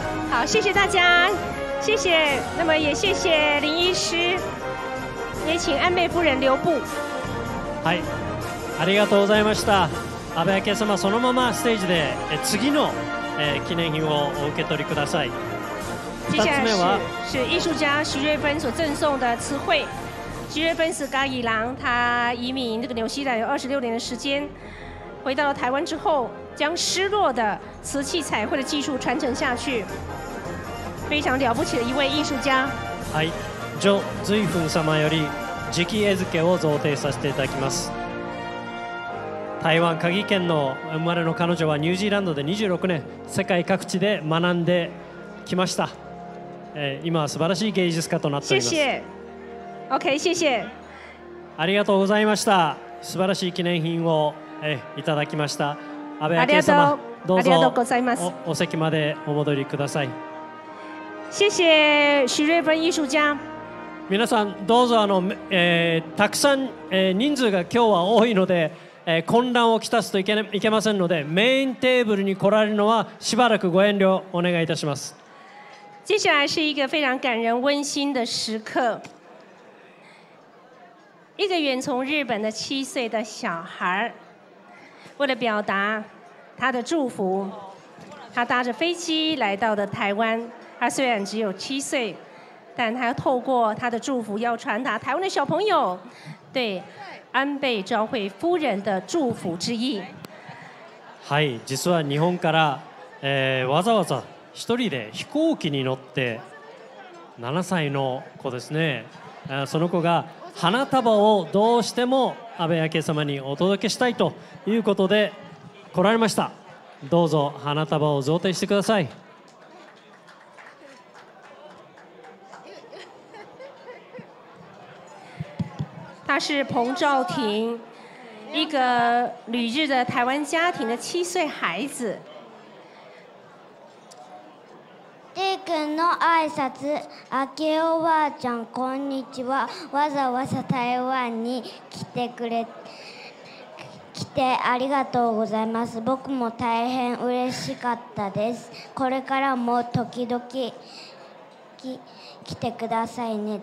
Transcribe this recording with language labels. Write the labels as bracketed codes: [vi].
[zh] 好，谢谢大家，谢谢。那么也谢谢林医师，也请安倍夫人留步。 [ja] はい、ありがとうございました。安倍昭恵様、そのままステージで次の記念品をお受け取りください。 2つ目は [zh] 是艺术家徐瑞芬所赠送的词汇。徐瑞芬是嘉义人，他移民这个纽西兰有26年的时间，回到了台湾之后，将失落的瓷器彩绘的技术传承下去，非常了不起的一位艺术家。 [ja] はい、ジョ・ズイフン様より直絵付けを贈呈させていただきます。台湾嘉義県の生まれの彼女はニュージーランドで26年世界各地で学んできました。今は素晴らしい芸術家となっております。 [zh] OK、 谢谢。 [ja] ありがとうございました。素晴らしい記念品をいただきました。安倍昭恵様、どうぞお席までお戻りください。 [zh] 谢谢徐瑞芬艺术家。 [ja] 皆さん、どうぞ、たくさん、人数が今日は多いので、混乱をきたすといけませんのでメインテーブルに来られるのはしばらくご遠慮お願いいたします。 [zh] 接下来是一个非常感人温馨的时刻，一个远从日本的七岁的小孩，为了表达他的祝福，他搭着飞机来到了台湾。他虽然只有七岁，但他要透过他的祝福要传达台湾的小朋友对安倍昭惠夫人的祝福之意。 [ja] はい、実は日本から、わざわざ一人で飛行機に乗って7歳の子ですね、その子が花束をどうしても安倍昭恵様にお届けしたいということで来られました。どうぞ花束を贈呈してください。 [zh] 他是彭兆廷，一个旅日的台湾家庭的七岁孩子。 [ja] デイ君の挨拶、明けおばあちゃんこんにちは。わざわざ台湾に来てありがとうございます。僕も大変嬉しかったです。これからも時々来てくださいね。